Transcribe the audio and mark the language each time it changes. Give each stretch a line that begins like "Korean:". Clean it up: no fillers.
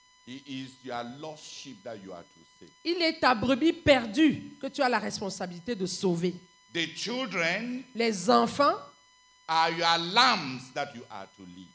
English: he is your lost sheep that you are to save.
French: Il est ta brebis perdue que tu as la responsabilité de sauver.
English: The children,
French: les enfants,
English: are your lambs that you are to lead.